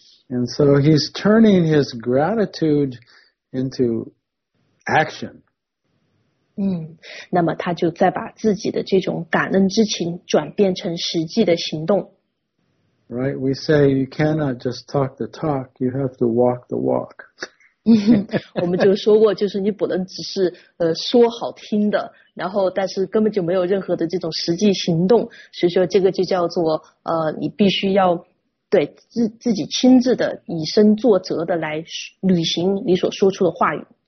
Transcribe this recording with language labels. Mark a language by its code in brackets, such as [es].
[en] And so he's turning his gratitude into action. [zh] 那么他就再把自己的这种感恩之情转变成实际的行动。 [en] Right, we say you cannot just talk the talk, you have to walk the walk. [zh] 我们就说过，就是你不能只是说好听的，然后但是根本就没有任何的这种实际行动，所以说这个就叫做你必须要对自己亲自的以身作则的来履行你所说出的话语。